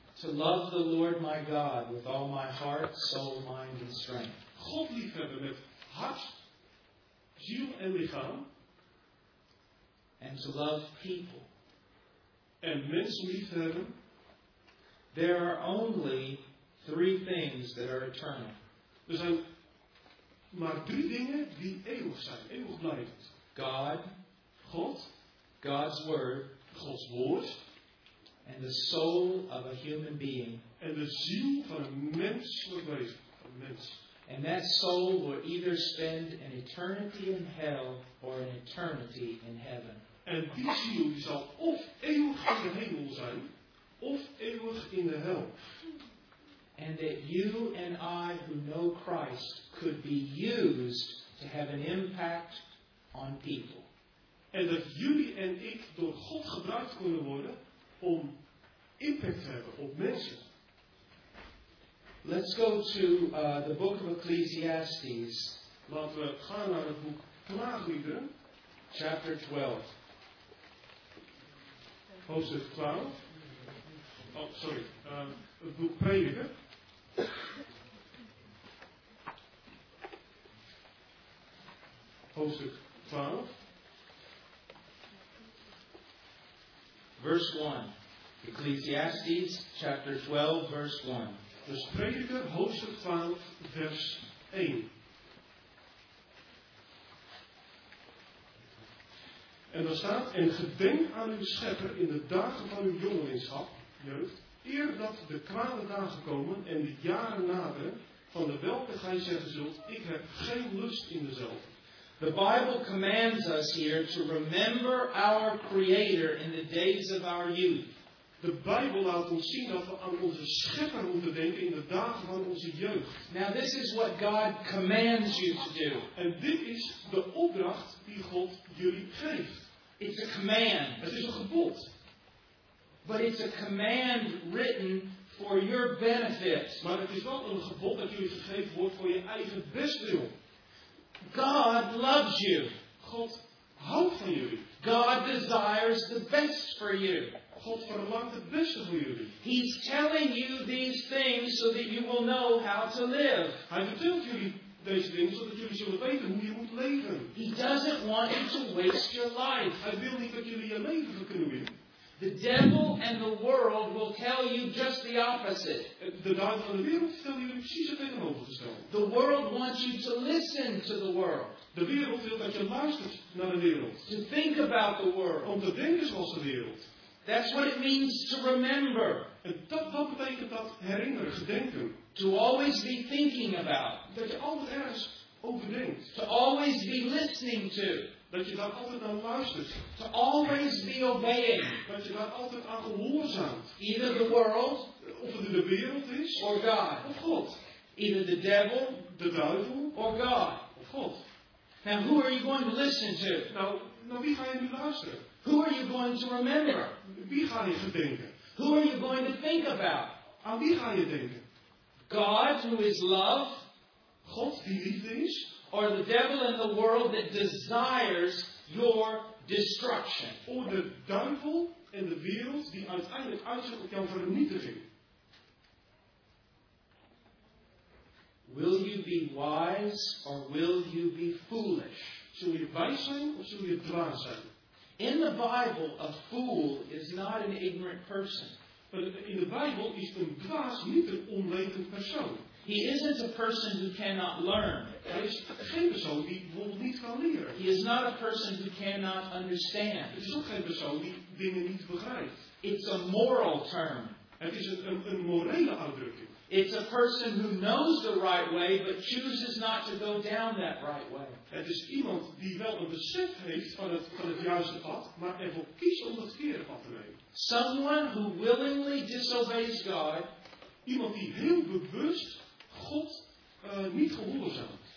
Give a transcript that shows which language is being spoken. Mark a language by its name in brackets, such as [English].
[English] To love the Lord my God with all my heart, soul, mind and strength. [Dutch] God liefhebben met hart, ziel en lichaam. [English] And to love people. [Dutch] En mensen liefhebben. [English] There are only three things that are eternal. [Dutch] Er zijn maar drie dingen die eeuwig zijn, eeuwig blijven. [English] God. [Dutch] God. [English] God's word. [Dutch] Gods woord. [English] And the soul of a human being. [Dutch] En de ziel van een menselijk wezen. Van mens. [English] And that soul will either spend an eternity in hell or an eternity in heaven. [Dutch] En die ziel die zal of eeuwig in de hemel zijn, of eeuwig in de hel. [English] And that you and I who know Christ could be used to have an impact on people. [Dutch] En dat jullie en ik door God gebruikt kunnen worden om impact te hebben op mensen. [English] Let's go to the book of Ecclesiastes. [Dutch] Laten we gaan naar het boek Klaagliederen. [English] Chapter 12. [Dutch] Hoofdstuk 12. Oh, sorry. Het boek Prediker. Hoofdstuk 12. [English] Verse 1. Ecclesiastes chapter 12 verse 1. [Dutch] Dus Prediker hoofdstuk 12 vers 1. En daar staat: en gedenk aan uw schepper in de dagen van uw jongelingschap, jeugd, eer dat de kwade dagen komen en de jaren naderen, van de welke gij zeggen zult: ik heb geen lust in dezelfde. [English] The Bible commands us here to remember our Creator in the days of our youth. [Dutch] De Bijbel laat ons zien dat we aan onze Schepper moeten denken in de dagen van onze jeugd. [English] Now this is what God commands you to do. [Dutch] En dit is de opdracht die God jullie geeft. [English] It's a command. [Dutch] Het is een gebod. [English] But it's a command written for your benefit. [Dutch] Maar het is wel een gebod dat jullie gegeven wordt voor je eigen bestwil. [English] God loves you. [Dutch] God houdt van jullie. [English] God desires the best for you. [Dutch] God verlangt het beste voor jullie. [English] He's telling you these things so that you will know how to live. [Dutch] Hij vertelt jullie deze dingen zodat jullie zullen weten hoe je moet leven. [English] He doesn't want you to waste your life. [Dutch] Hij wil niet dat jullie je leven verknoeien. [English] The devil and the world will tell you just the opposite. [Dutch] De duivel en de wereld vertellen jullie precies het tegenovergestelde. [English] The world wants you to listen to the world. [Dutch] De wereld wil dat je luistert naar de wereld. [English] To think about the world. [Dutch] Om te denken zoals de wereld. [English] That's what it means to remember. [Dutch] En dat betekent dat herinneren, gedenken. [English] To always be thinking about. [Dutch] Dat je altijd ergens over denkt. [English] To always be listening to. [Dutch] Dat je daar altijd aan luistert. [English] To always be obeying. [Dutch] Dat je daar altijd aan gehoorzaamt. [English] Either the world. [Dutch] Of het de wereld is. [English] Or God. [Dutch] Of God. [English] Either the devil. [Dutch] De duivel. [English] Or God. [Dutch] Of God. [English] Now who are you going to listen to? [Dutch] Nou wie ga je nu luisteren? [English] Who are you going to remember? [Dutch] Wie ga je gedenken? [English] Who are you going to think about? [Dutch] Aan wie ga je denken? [English] God, who is love. [Dutch] God die liefde is. [English] Or the devil in the world that desires your destruction. [Dutch] Of de duivel in de wereld die uiteindelijk uitzicht op jouw vernietiging. [English] Will you be wise or will you be foolish? [Dutch] Zul je wijs zijn of zul je dwaas zijn? [English] In the Bible, a fool is not an ignorant person. In the Bible, [Dutch] is een dwaas niet een onwetend persoon. [English] He isn't a person who cannot learn. [Dutch] Hij is geen persoon die bijvoorbeeld niet kan leren. [English] He is not a person who cannot understand. [Dutch] Het is ook geen persoon die dingen niet begrijpt. [English] It's a moral term. [Dutch] Het is een morele uitdrukking. [English] It's a person who knows the right way, but chooses not to go down that right way. [Dutch] Het is iemand die wel een besef heeft van het juiste pad, maar ervoor kiest om het verkeerde pad te nemen. [English] Someone who willingly disobeys God. [Dutch] Iemand die heel bewust God niet gehoorzaamt.